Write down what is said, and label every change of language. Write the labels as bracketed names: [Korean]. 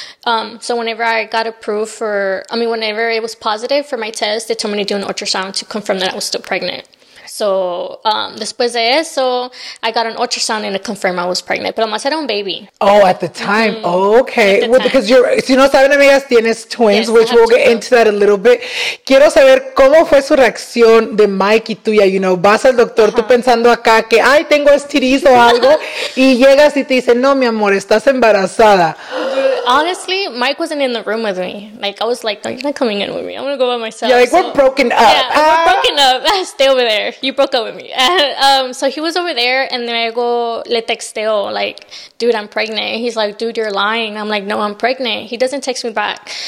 [English] So whenever I got approved for, whenever it was positive for my test, they told me to do an ultrasound to confirm that I was still pregnant. So [Spanish] después de eso, [English] I got an ultrasound and it confirmed I was pregnant. [Spanish] Pero más era un [English] baby. Oh, at the time. Mm-hmm. Okay. Well, because you're, [Spanish] si no saben, amigas, tienes [English] twins, yes, which we'll get into that a little bit. [Spanish] Quiero saber cómo fue su reacción de Mike y tuya. [English] You know, [Spanish] vas al doctor, uh-huh, tú pensando acá que, ay, tengo STDs o algo. Y llegas y te dicen, no, mi amor, estás embarazada. [English] Honestly, Mike wasn't in the room with me. Like, I was like, no, you're not coming in with me. I'm going to go by myself. Yeah, like, so, we're broken up. Yeah, we're broken up. Stay over there. You broke up with me. So he was over there, and then I go, [Spanish] le texteo, [English] like, dude, I'm pregnant. He's like, dude, you're lying. I'm like, no, I'm pregnant. He doesn't text me back.